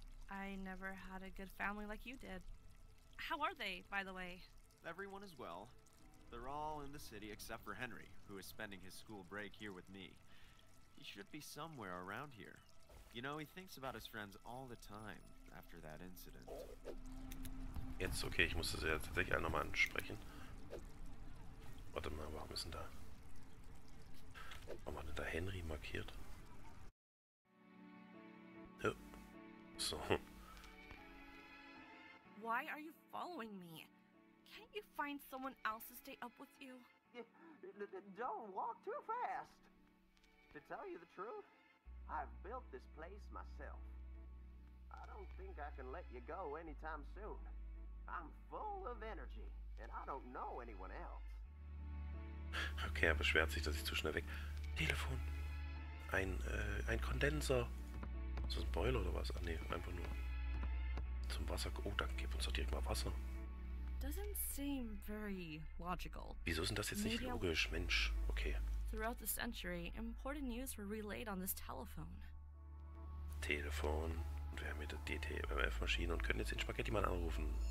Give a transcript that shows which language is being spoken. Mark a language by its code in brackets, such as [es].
[en] I never had a good family like you did. How are they, by the way? Everyone is well. They're all in the city except for Henry, who is spending his school break here with me. He should be somewhere around here. You know, he thinks about his friends all the time after that incident. [de] Jetzt, okay, ich muss das ja tatsächlich auch nochmal ansprechen. Warte mal, warum ist denn da? Warum hat denn da Henry markiert? Ja. So. [en] Why are you following me? Can't you find someone else to stay up with you? Don't walk too fast. To tell you the truth, I've built this place myself. I don't think I can let you go anytime soon. I'm full of energy, and I don't know anyone else. [de] Okay, er beschwert sich, dass ich zu schnell weg... Telefon. Ein Kondenser. Ist das ein Boiler oder was? Ah, ne, einfach nur. Zum Wasser. Oh, dann gib uns doch direkt mal Wasser. [en] Doesn't seem very logical. [de] Wieso ist denn das jetzt nicht logisch, Mensch? Okay. [en] Throughout the century, important news were relayed on this telephone. [de] Telefon. Und wir haben hier die DTMF-Maschine und können jetzt den Spaghetti-Mann anrufen.